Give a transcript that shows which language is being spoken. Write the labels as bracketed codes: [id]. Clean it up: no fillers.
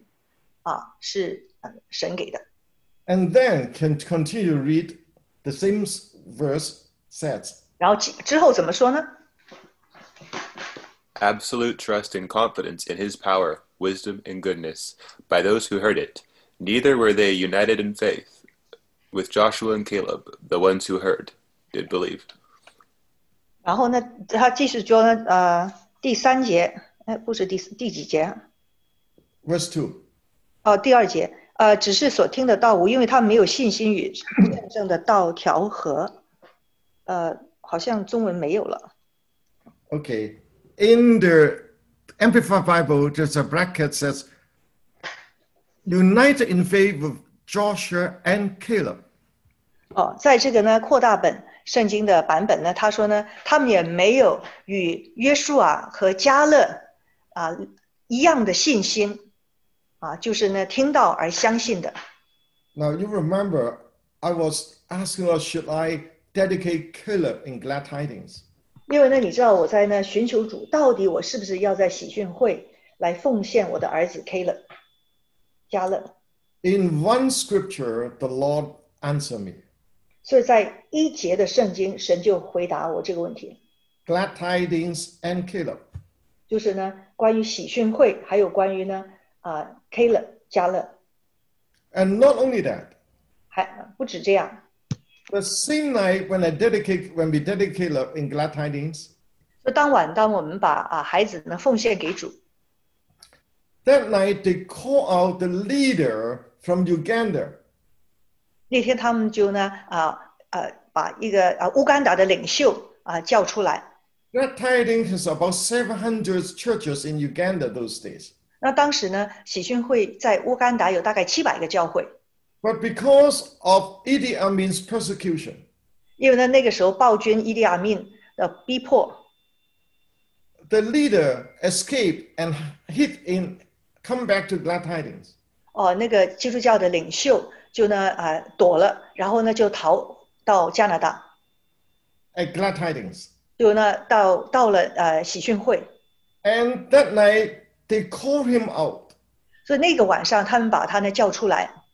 [zh] 而呢,是老早在我还没有到喜讯会之前,就已经印在那这本圣经里面,就是说我们有这个喜讯,是神给的。And [en] then, can continue to read the same verse says. [zh] 然后,之后怎么说呢? [en] Absolute trust and confidence in his power, wisdom and goodness, by those who heard it. Neither were they united in faith. With Joshua and Caleb, the ones who heard, did believe. [zh] 然后呢,他继续说,第三节,不是第几节? [en] Verse 2. [zh] 第二节,只是所听的道无,因为他没有信心与见证的道调和。好像中文没有了。Okay, [en] in the Amplified Bible, there's a bracket says, united in faith with Joshua and Caleb. [zh] 在这个呢,扩大本圣经的版本呢,他说呢,他们也没有与约书亚和加勒一样的信心。就是呢,听到而相信的。 [en] Now you remember, I was asking her, should I dedicate Caleb in Glad Tidings? [zh] 因为呢,你知道我在呢,寻求主, 到底我是不是要在喜讯会来奉献我的儿子Caleb, Caleb? [en] In one scripture, the Lord answered me. [zh] 所以在一节的圣经, 神就回答我这个问题。 [en] Glad Tidings and Caleb. [zh] 就是呢, 关于喜讯会, 还有关于呢, Caleb, Caleb. [en] And not only that, [zh] 还不止这样, [en] the same night when I dedicate, when we dedicate Caleb in Glad Tidings, [zh] 就当晚当我们把, ,孩子呢,奉献给主, [en] that night they call out the leader from Uganda. [zh] 那天他们就呢, 把一个, 乌干达的领袖, ,叫出来。 [en] Glad Tidings is about 700 churches in Uganda those days. [zh] 那当时呢,喜讯会在乌干达有大概700个教会。 [en] But because of Idi Amin's persecution, [zh] 因为呢,那个时候暴君伊迪阿敏的逼迫, [en] the leader escaped and hid in, come back to Glad Tidings. [zh] 那个基督教的领袖就呢,躲了,然后呢,就逃到加拿大。 [en] At Glad Tidings. [zh] 就呢,到了喜讯会。 [en] And that night, they call him out. [zh] 所以那个晚上,他们把他呢,叫出来。